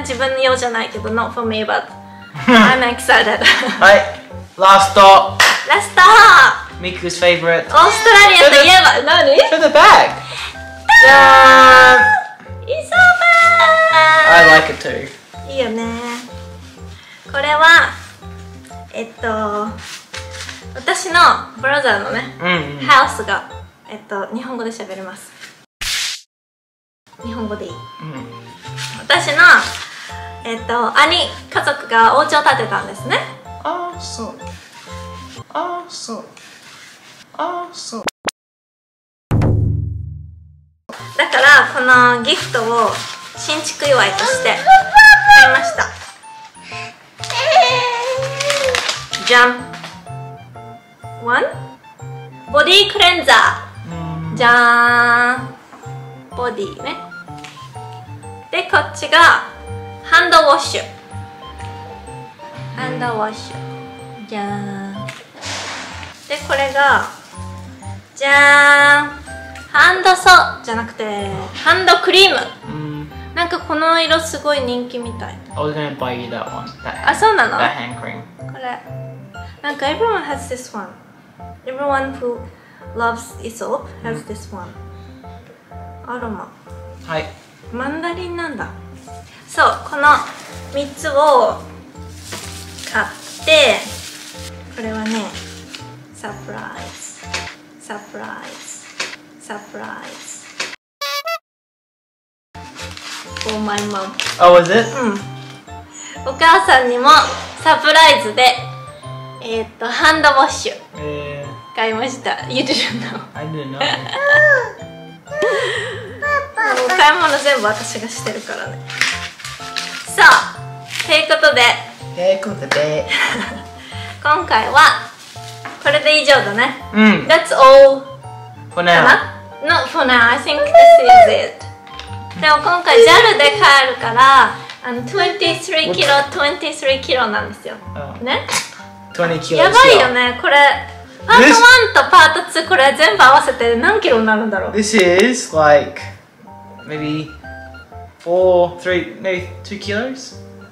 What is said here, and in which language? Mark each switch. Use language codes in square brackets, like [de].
[ja] 自分用じゃないけど [en] not for me but I'm excited. [ja] はい、ラストラスト、 [en] ミクスフェイブリット [ja] 、オーストラリアといえば何？ [en] To the bag. [ja] じゃーん、イ [en] ソーバー。 I like it too. [ja] いいよね。これは私のブラザーのね、うん、ハウスが日本語で喋ります。日本語でいい。うん、私の兄家族がお家を建てたんですね。ああそう。ああそう。ああそう。だからこのギフトを新築祝いとして買いました。じゃん。One ボディクレンザー。うん、じゃーん。ボディね。で、こっちがハンドウォッシュ。ハンドウォッシュ、じゃーん。で、これがじゃーん、ハンドソじゃなくてハンドクリーム。うん、なんかこの色すごい人気みたい。 [en] I was gonna buy you that one. [ja] あ、そうなの？ [en] That hand cream. [ja] これなんか [en] everyone has this one. Everyone who loves Aesop has this one. [ja] アロマ。はい、マンダリンなんだ。そう、この3つを買って、これはねサプライズサプライズサプライズ [en] for my mom. Oh, was it? [ja] うん、お母さんにもサプライズでハンドウォッシュ買いました。 [en] You didn't know? I didn't know. [ja] もう買い物全部私がしてるからね。さあ、ということで。ということで。今回は、これで以上だね。うん。 [en] That's all. For now. Not for now. I think this is it. [ja] でも今回 JAL で帰るから、あの23キロ、23キロなんですよ。ね 20キロ。やばいよね、これ。パート1とパート2、これ全部合わせて何キロになるんだろう。 [en] This is like maybe 4, 3, maybe 2 kilos?